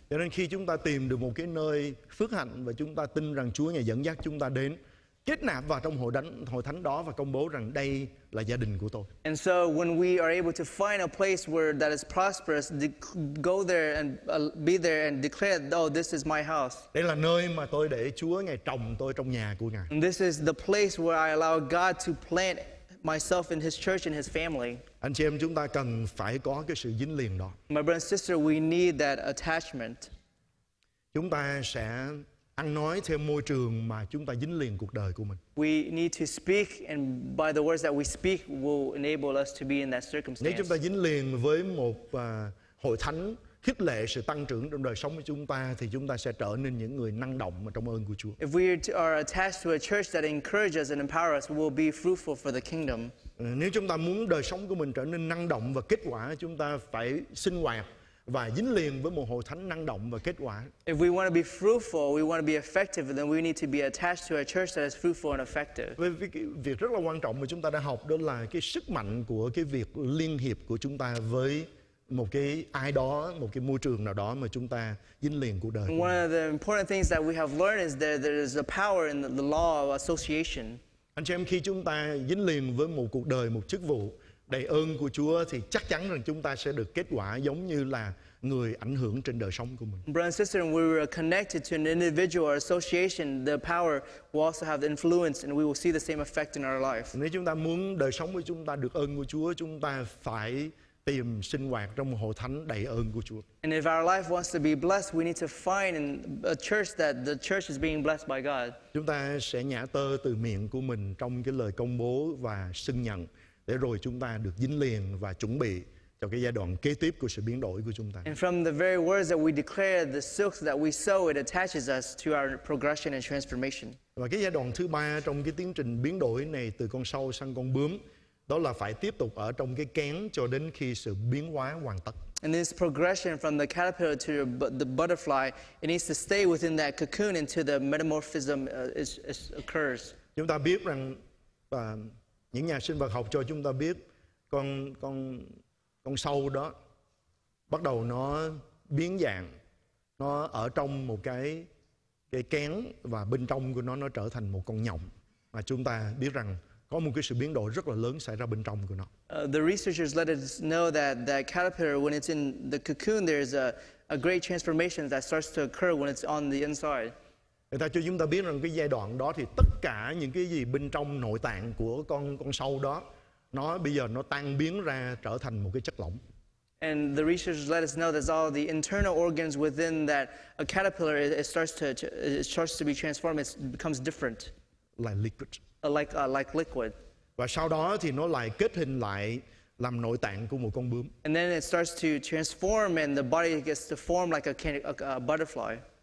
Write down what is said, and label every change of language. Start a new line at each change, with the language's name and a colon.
Vietnamese: Cho nên khi chúng ta tìm được một cái nơi phước hạnh và chúng ta tin rằng Chúa ngài dẫn dắt chúng ta đến, kết nạp vào trong hội thánh đó và công bố rằng đây là gia đình của tôi.
English: And so when we are able to find a place where that is prosperous, go there and be there and declare, oh, this is my house.
Vietnamese: Đây là nơi mà tôi để Chúa ngài trồng tôi trong nhà của ngài.
English: And this is the place where I allow God to plant myself in his church and his family.
Vietnamese: Anh chị em chúng ta cần phải có cái sự dính liền đó.
English: My brother and sister, we need that attachment.
Vietnamese: Chúng ta sẽ ăn nói theo môi trường mà chúng ta dính liền cuộc đời của mình.
English: We need to speak, and by the words that we speak will enable us to be in that circumstance.
Vietnamese: Nếu chúng ta dính liền với một hội thánh khích lệ sự tăng trưởng trong đời sống của chúng ta, thì chúng ta sẽ trở nên những người năng động trong ơn của Chúa.
English: If we are attached to a church that encourages and empowers us, we will be fruitful for the kingdom.
Vietnamese: Nếu chúng ta muốn đời sống của mình trở nên năng động và kết quả, chúng ta phải sinh hoạt và dính liền với một hội thánh năng động và kết quả.
English: If we want to be fruitful, we want to be effective, then we need to be attached to a church that is fruitful and effective.
Vietnamese: Việc rất là quan trọng mà chúng ta đã học đó là cái sức mạnh của cái việc liên hiệp của chúng ta với một cái ai đó, một cái môi trường nào đó mà chúng ta dính liền cuộc đời.
English: One of the important things that we have learned is that there is a power in the law of association.
Vietnamese: Anh chị em, khi chúng ta dính liền với một cuộc đời, một chức vụ đầy ơn của Chúa, thì chắc chắn rằng chúng ta sẽ được kết quả giống như là người ảnh hưởng trên đời sống của mình.
English: Brother and sister, when we are connected to an individual or association, the power will also have influence, and we will see the same effect in our life.
Vietnamese: Nếu chúng ta muốn đời sống của chúng ta được ơn của Chúa, chúng ta phải tìm sinh hoạt trong một hội thánh đầy ơn của Chúa.
English: And if our life wants to be blessed, we need to find a church that the church is being blessed by God.
Vietnamese: Chúng ta sẽ nhả tơ từ miệng của mình trong cái lời công bố và xưng nhận, để rồi chúng ta được dính liền và chuẩn bị cho cái giai đoạn kế tiếp của sự biến đổi của chúng ta.
English: And from the very words that we declare, the silks that we sow, it attaches us to our progression and transformation.
Vietnamese: Và cái giai đoạn thứ ba trong cái tiến trình biến đổi này, từ con sâu sang con bướm, đó là phải tiếp tục ở trong cái kén cho đến khi sự biến hóa hoàn tất.
English: And this progression from the caterpillar to the butterfly, it needs to stay within that cocoon until the metamorphism occurs.
Vietnamese: Chúng ta biết rằng những nhà sinh vật học cho chúng ta biết con sâu đó bắt đầu nó biến dạng, nó ở trong một cái kén, và bên trong của nó trở thành một con nhộng. Mà chúng ta biết rằng có một cái sự biến đổi rất là lớn xảy ra bên trong của nó.
English: The researchers let us know that caterpillar, when it's in the cocoon, there is a great transformation that starts to occur when it's on the inside.
Vietnamese: Người ta cho chúng ta biết rằng cái giai đoạn đó thì tất cả những cái gì bên trong nội tạng của con sâu đó, nó bây giờ nó tan biến ra trở thành một cái chất lỏng.
English: And the researchers let us know that all the internal organs within that a caterpillar, it starts to be transformed, it becomes different. Like liquid.
Vietnamese: Và sau đó thì nó lại kết hình lại làm nội tạng của một con bướm.
English: And then it starts to transform, and the body gets to form like a butterfly.